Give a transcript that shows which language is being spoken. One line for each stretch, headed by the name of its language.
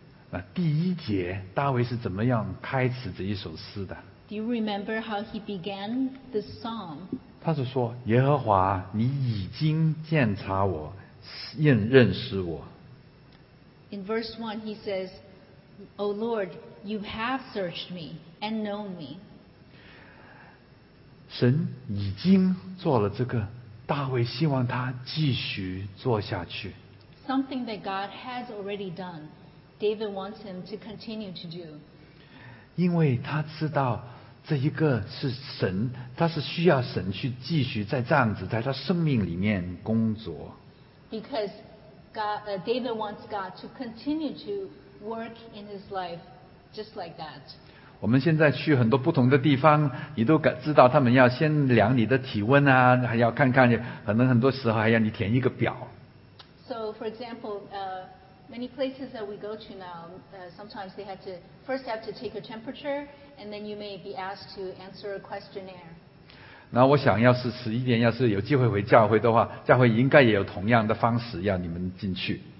Chinese: 那第一节大卫是怎么样开始这一首诗的？
English: Do you remember how he began the psalm?
Chinese: 他是说，耶和华，你已经鉴察我，认识我。
English: In verse 1, he says, O Lord, you have searched me and known me.
Chinese: 神已经做了这个，大卫希望他继续做下去。
English: Something that God has already done, David wants him to continue to do.
Chinese: 因为他知道这一个是神，他是需要神去继续在这样子在他生命里面工作。
English: Because David wants God to continue to work in his life just like that.
Chinese: 我们现在去很多不同的地方，你都知道他们要先量你的体温啊，还要看看，可能很多时候还要你填一个表。
English: So for example, many places that we go to now, sometimes they have to first have to take your temperature, and then you may be asked to answer a questionnaire.
Chinese: 那我想要是迟一点，要是有机会回教会的话，教会应该也有同样的方式要你们进去。